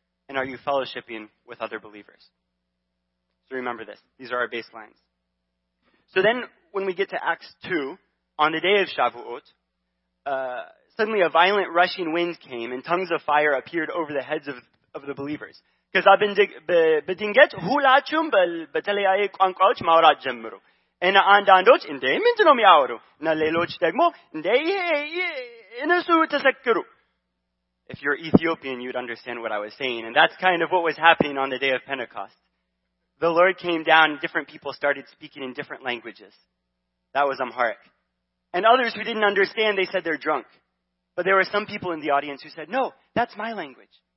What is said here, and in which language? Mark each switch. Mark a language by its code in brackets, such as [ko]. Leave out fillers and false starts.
[en] And are you fellowshipping with other believers? So remember this. These are our baselines. So then when we get to Acts 2, on the day of Shavuot, suddenly a violent rushing wind came and tongues of fire appeared over the heads of the believers. [am] በድንገት ሁላችሁም በተለያየ ቋንቋዎች ማውራት ጀምሩ እና አንዳንዶች እንዴ ምንድን ነው የሚያወሩ እና ሌሎች ደግሞ እንዴ እነሱ ተሰክሩ. [en] If you're Ethiopian, you'd understand what I was saying. And that's kind of what was happening on the day of Pentecost. The Lord came down, different people started speaking in different languages. That was Amharic. And others who didn't understand, they said they're drunk. But there were some people in the audience who said, no, that's my language.